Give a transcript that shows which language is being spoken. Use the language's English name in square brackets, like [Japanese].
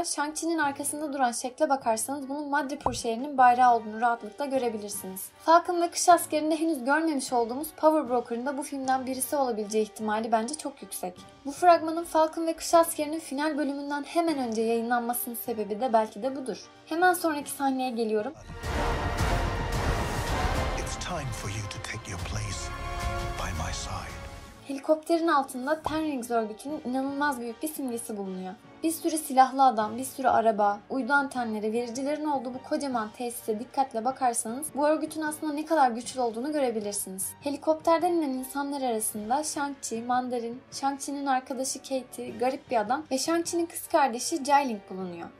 [Turkish] Shang-Chi'nin arkasında duran şekle bakarsanız bunun Madripoor şehrinin bayrağı olduğunu rahatlıkla görebilirsiniz. Falcon ve Kış Askeri'nde henüz görmemiş olduğumuz Power Broker'ın da bu filmden birisi olabileceği ihtimali bence çok yüksek. Bu fragmanın Falcon ve Kış Askeri'nin final bölümünden hemen önce yayınlanmasının sebebi de belki de budur. Hemen sonraki sahneye geliyorum. [English] Time for you to take your place by my side. [Turkish] Helikopterin altında Ten Rings örgütünün inanılmaz büyük bir simgesi bulunuyor. Bir sürü silahlı adam, bir sürü araba, uydu antenleri, vericilerin olduğu bu kocaman tesise dikkatle bakarsanız bu örgütün aslında ne kadar güçlü olduğunu görebilirsiniz. Helikopterden inen insanlar arasında Shang-Chi, Mandarin, Shang-Chi'nin arkadaşı Katie, garip bir adam ve Shang-Chi'nin kız kardeşi Jai Ling bulunuyor.